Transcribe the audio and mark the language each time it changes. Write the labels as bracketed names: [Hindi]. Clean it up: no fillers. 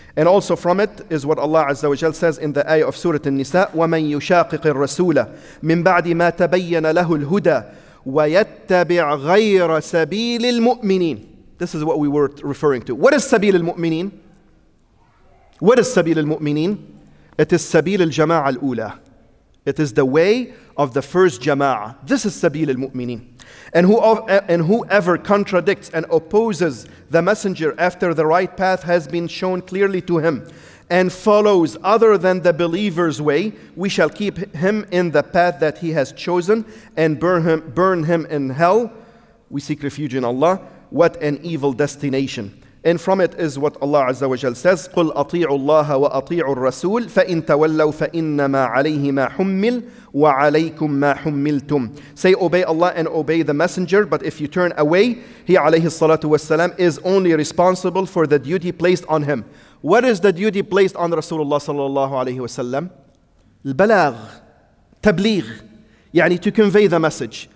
[English] And also from it is what Allah Azza wa Jal says in the ayah of Surah An-Nisa, [Arabic] وَمَنْ يُشَاقِقِ الرَّسُولَ مِنْ بَعْدِ مَا تَبَيَّنَ لَهُ الْهُدَى وَيَتَّبِعْ غَيْرَ سَبِيلِ الْمُؤْمِنِينَ. [English] This is what we were referring to. What is [Arabic] سَبِيلِ الْمُؤْمِنِينَ? [English] What is سَبِيلِ الْمُؤْمِنِينَ? It is [Arabic] سَبِيلِ الْجَمَاعَ الْأُولَى. [English] It is the way of the first jama'ah. This is [Arabic] سَبِيلِ الْمُؤْمِنِينَ. [English] And whoever contradicts and opposes the messenger after the right path has been shown clearly to him and follows other than the believer's way, we shall keep him in the path that he has chosen and burn him in hell. We seek refuge in Allah. What an evil destination. And from it is what Allah Azza wa Jal says, [Arabic] قُلْ أَطِيعُوا اللَّهَ وَأَطِيعُوا الرَّسُولِ فَإِنْ تَوَلَّوْا فَإِنَّمَا عَلَيْهِ مَا حُمِّلْ وَعَلَيْكُمْ مَا حُمِّلْتُمْ. [English] Say, obey Allah and obey the messenger, but if you turn away, he alayhi salatu wasalam is only responsible for the duty placed on him. What is the duty placed on Rasulullah sallallahu alayhi wasallam? [Arabic] البلاغ, تبليغ, يعني [English] to convey the message.